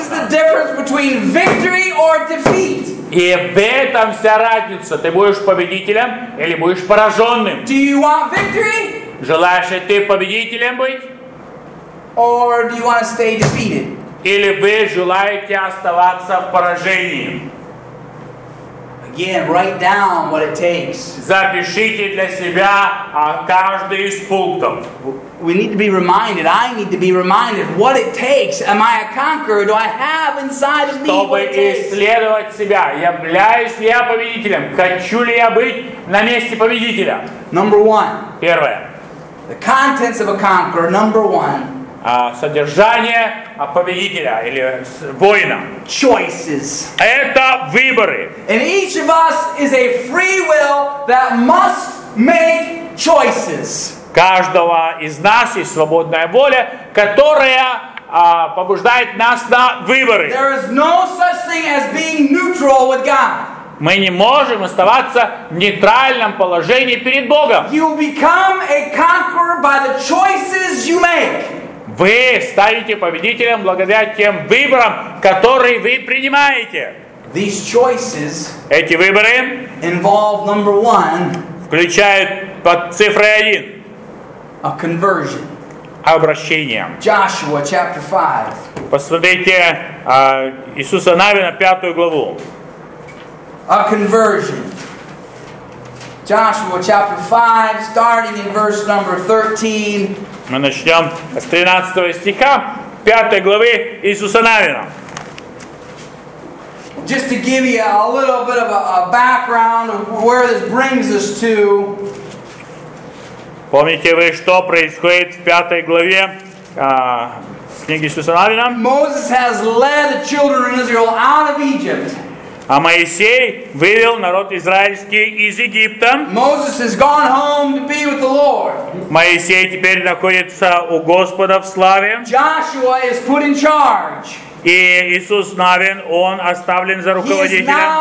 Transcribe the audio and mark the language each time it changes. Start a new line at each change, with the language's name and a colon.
English: This is the difference between victory or defeat.
Russian: И в этом вся разница. Ты будешь победителем или будешь пораженным.
English: Do you want victory?
Russian: Желаешь ли ты победителем быть?
English: Or do you want to stay defeated?
Russian: Или вы желаете оставаться в поражении?
English: Again, write down what it takes.
Russian: Запишите для себя каждый из пунктов.
English: We need to be reminded. I need to be reminded what it takes. Am I a conqueror? Do I have inside of me what it takes?
Russian: Чтобы исследовать себя, являюсь ли я победителем? Хочу ли я быть на месте победителя?
English: Number one.
Russian: Первое.
English: The contents of a conqueror. Number one.
Russian: Содержание победителя или воина.
English: Choices.
Russian: Это выборы.
English: And each of us is a free will that must make choices.
Russian: Каждого из нас есть свободная воля, которая побуждает нас на выборы.
English: There is no such thing as being neutral with God.
Russian: Мы не можем оставаться в нейтральном положении перед Богом.
English: You become a conqueror by the choices you make.
Russian: Вы станете победителем благодаря тем выборам, которые вы принимаете.
English: These choices
Russian: эти выборы
English: involve number one,
Russian: включают под цифрой 1
English: a conversion.
Russian: Обращение.
English: Joshua, chapter 5.
Russian: Посмотрите Иисуса Навина, 5 главу.
English: A conversion. Joshua, chapter 5, starting in verse number 13.
Russian: Мы начнем с 13 стиха, 5 главы Иисуса Навина.
English: Just to give you a little bit of a background of where this brings us to.
Russian: Помните вы, что происходит в 5 главе книги Иисуса Навина?
English: Moses has led the children of Israel out of Egypt.
Russian: А Моисей вывел народ израильский из Египта.
English: Moses has gone home to be with the Lord.
Russian: Моисей теперь находится у Господа в славе.
English: Joshua is put in charge.
Russian: И Иисус Навин, он оставлен за руководителя.